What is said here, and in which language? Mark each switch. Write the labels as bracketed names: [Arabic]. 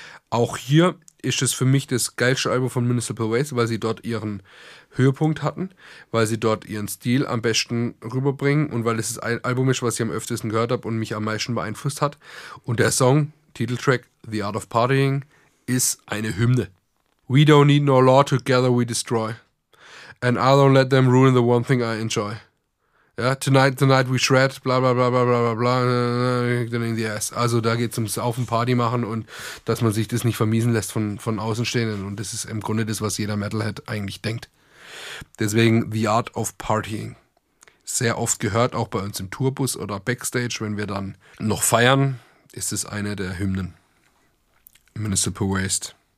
[German] Auch hier ist es für mich das geilste Album von Municipal Waste, weil sie dort ihren Höhepunkt hatten, weil sie dort ihren Stil am besten rüberbringen und weil es das Album ist, was ich am öftesten gehört habe und mich am meisten beeinflusst hat. Und der Song, Titeltrack The Art of Partying, ist eine Hymne. [English] We don't need no law, together we destroy. And I don't let them ruin the one thing I enjoy. Ja, tonight we shred, bla bla bla bla bla bla bla, in the ass. [German] Also da geht's ums Auf- und Party machen und dass man sich das nicht vermiesen lässt von Außenstehenden. Und das ist im Grunde das, was jeder Metalhead eigentlich denkt. Deswegen The Art of Partying. Sehr oft gehört, auch bei uns im Tourbus oder Backstage, wenn wir dann noch feiern, ist es eine der Hymnen. Municipal Waste.